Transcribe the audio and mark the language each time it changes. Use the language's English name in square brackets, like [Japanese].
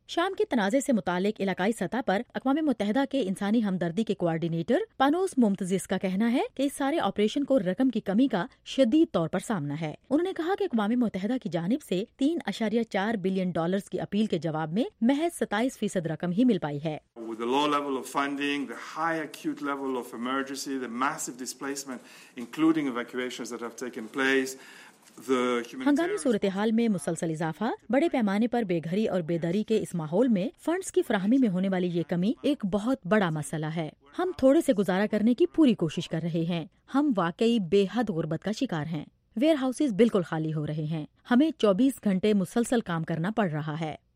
[Urdu] شام کے تنازع سے متعلق علاقائی سطح پر اقوام متحدہ کے انسانی ہمدردی کے کوآرڈینیٹر پانوس مومتزس کا کہنا ہے کہ اس سارے آپریشن کو رقم کی کمی کا شدید طور پر سامنا ہے۔ انہوں نے کہا کہ اقوام متحدہ کی جانب سے 3.4 بلین ڈالرز کی اپیل کے جواب میں محض 27% رقم ہی مل پائی ہے۔ [English] With the low level of funding, the high acute level of emergency, the massive displacement, including evacuations that have taken place, [Urdu] ہنگامی صورتحال میں مسلسل اضافہ، بڑے پیمانے پر بے گھری اور بے دری کے اس ماحول میں فنڈز کی فراہمی میں ہونے والی یہ کمی ایک بہت بڑا مسئلہ ہے۔ ہم تھوڑے سے گزارا کرنے کی پوری کوشش کر رہے ہیں، ہم واقعی بے حد غربت کا شکار ہیں۔ ویئر ہاؤسز بالکل خالی ہو رہے ہیں، ہمیں 24 گھنٹے مسلسل کام کرنا پڑ رہا ہے۔